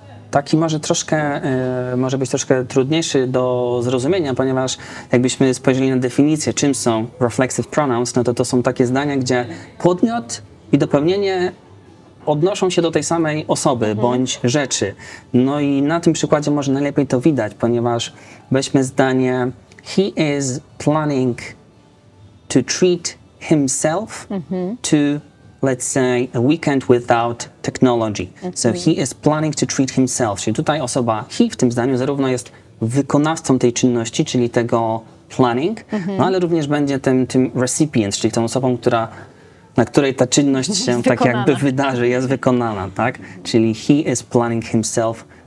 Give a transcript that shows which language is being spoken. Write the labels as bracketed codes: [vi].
[pl] Taki może być troszkę trudniejszy do zrozumienia, ponieważ jakbyśmy spojrzeli na definicję, czym są reflexive pronouns, no to są takie zdania, gdzie podmiot i dopełnienie odnoszą się do tej samej osoby bądź rzeczy. No i na tym przykładzie może najlepiej to widać, ponieważ weźmy zdanie [en] he is planning to treat himself to, let's say, a weekend without technology. So he is planning to treat himself. [pl] Czyli tutaj osoba he w tym zdaniu zarówno jest wykonawcą tej czynności, czyli tego planning, no ale również będzie tym recipient, czyli tą osobą, która na której ta czynność się tak jakby wydarzy, jest wykonana, tak? Czyli [en] he is planning himself